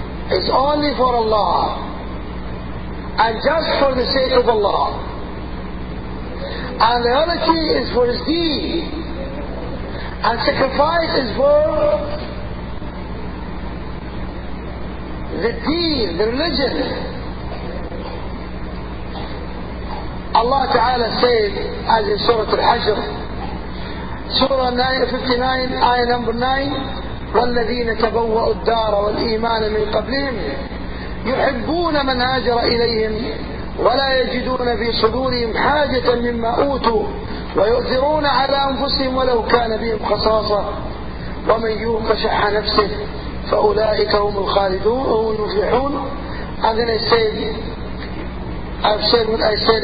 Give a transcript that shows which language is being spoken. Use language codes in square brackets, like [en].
[en] is only for Allah and just for the sake of Allah, and the other key is for his deen, and sacrifice is for the deen, the religion. Allah Ta'ala said, as in Surah Al-Hajr, Surah 59, Ayah number 9, [ar] وَالَّذِينَ تَبَوَّأُوا الدَّارَ وَالْإِيمَانَ مِنْ قَبْلِهِمْ يُحِبُّونَ مَنْ هَاجَرَ إِلَيْهِمْ وَلَا يَجِدُونَ فِي صُدُورِهِمْ حَاجَةً مِمَّا أُوتُوا وَيُؤْثِرُونَ عَلَى أَنفُسِهِمْ وَلَوْ كَانَ بِهِمْ خَصَاصَةً وَمَنْ يُوقَ شُحَّ نَفْسِهِ فَأُولَٰئِكَ هُمُ الْخَالِدُونَ وَهُمُ الْمُفْلِحُونَ. [en] And then I've said what I said.